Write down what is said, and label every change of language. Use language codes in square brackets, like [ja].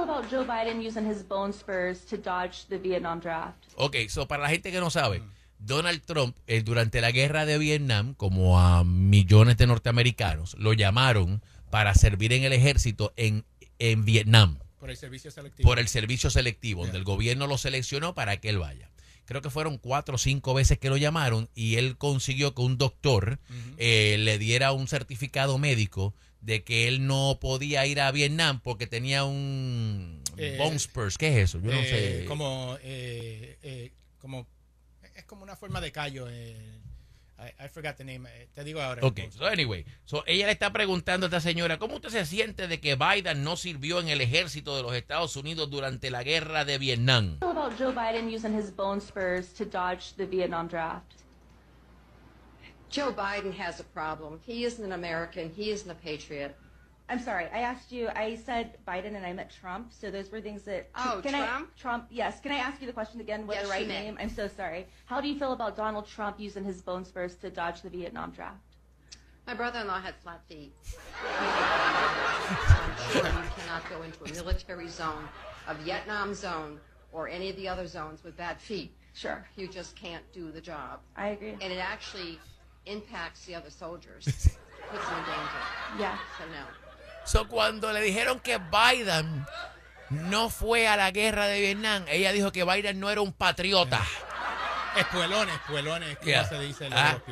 [en] Joe Biden using his bone spurs to dodge the Vietnam draft? [es] Ok, so para la gente que no sabe... Donald Trump, durante la guerra de Vietnam, como a millones de norteamericanos, lo llamaron para servir en el ejército en Vietnam. Por el servicio selectivo. Donde el gobierno lo seleccionó para que él vaya. creo que fueron 4 o 5 veces que lo llamaron y él consiguió que un doctor le diera un certificado médico de que él no podía ir a Vietnam porque tenía un bone spurs. ¿Qué es eso? Yo no sé. Como es como una forma de callo. [en] I forgot the name. [es] Te digo ahora. [en] Okay. So anyway, so [es] ella le está preguntando a esta señora, ¿cómo usted se siente de que Biden no sirvió en el ejército de los Estados Unidos durante la guerra de Vietnam? [en] How about Joe Biden using his bone spurs to dodge the Vietnam draft? Joe Biden has a problem. He isn't an American. He isn't a patriot. I'm sorry. I asked you. I said Biden and I meant Trump. So those were things that... Trump? Yes. Can I ask you the question again with the right name? I'm so sorry. How do you feel about Donald Trump using his bone spurs to dodge the Vietnam draft? My brother-in-law had flat feet. You cannot go into a military zone, a Vietnam zone, or any of the other zones with bad feet. Sure. You just can't do the job. I agree. And it actually impacts the other soldiers. Puts them in danger. Yeah. So no. [es] So cuando le dijeron que Biden no fue a la guerra de Vietnam, ella dijo que Biden no era un patriota. Espuelones, como se dice en Europa.